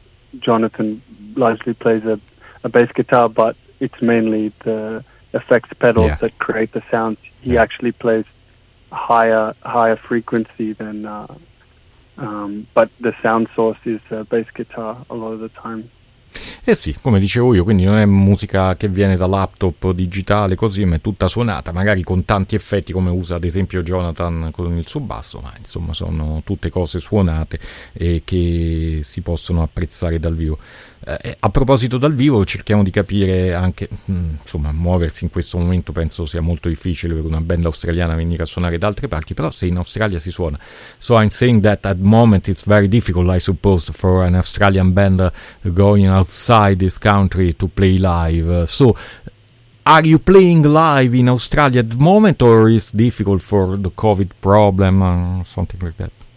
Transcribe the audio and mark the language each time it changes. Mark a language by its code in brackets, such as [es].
[en] Jonathan largely plays a bass guitar, but it's mainly the effects pedals, yeah. that create the sounds. He, yeah. actually plays higher frequency than, but the sound source is a bass guitar a lot of the time. [it] Eh sì, come dicevo io, quindi non è musica che viene da laptop digitale così, ma è tutta suonata, magari con tanti effetti come usa ad esempio Jonathan con il suo basso, ma insomma sono tutte cose suonate e che si possono apprezzare dal vivo. A proposito dal vivo, cerchiamo di capire anche, insomma, muoversi in questo momento penso sia molto difficile per una band australiana venire a suonare da altre parti, però se in Australia si suona. [en] So I'm saying that at the moment it's very difficult, I suppose, for an Australian band going outside this country to play live. So are you playing live in Australia at the moment, or is difficult for the COVID problem or something like that?